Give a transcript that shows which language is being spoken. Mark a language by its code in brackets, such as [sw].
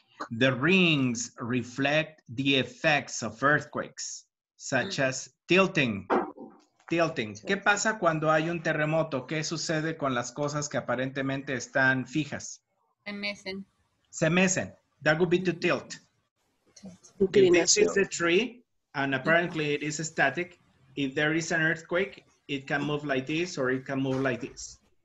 [en] The rings reflect the effects of earthquakes, such as tilting. [es] Tilting. ¿Qué pasa cuando hay un terremoto? ¿Qué sucede con las cosas que aparentemente están fijas? Se mecen. Se mecen. [en] That would be to tilt. If this is the tree, and apparently it is static, if there is an earthquake, it can move like this or it can move like this.